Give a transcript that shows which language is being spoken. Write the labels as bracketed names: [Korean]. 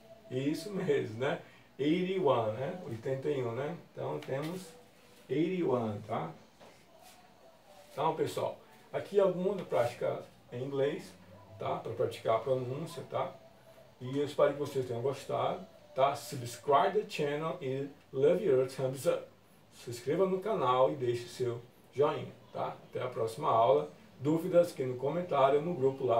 [Portuguese] Isso mesmo, né? 81, né? 81, né? Então temos 81, tá? Então, pessoal, aqui alguma da prática em inglês, tá? Para praticar a pronúncia, tá? E eu espero que vocês tenham gostado, tá? [English] Subscribe the channel [Portuguese] e [English] leave your thumbs up. [Portuguese] Se inscreva no canal e deixe seu joinha, tá? Até a próxima aula. Dúvidas aqui no comentário, no grupo lá.